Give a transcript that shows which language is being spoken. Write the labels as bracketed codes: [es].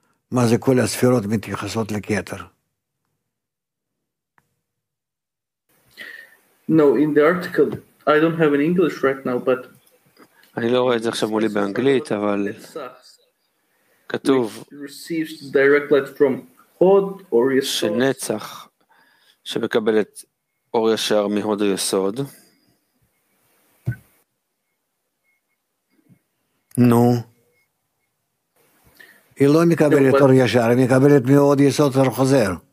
[he] מה זה כל הספירות מתייחסות לכתר? [en] No, in the article, I don't have an English right now, but... [he] אני לא רואה את זה עכשיו מולי באנגלית, אבל... כתוב... [en] Receives direct light from Hod or Yesod. [he] שנצח שמקבלת אור ישר מהוד היסוד. נו... היא לא מקבלת אור ישר, היא מקבלת מאוד יסוד וחוזר.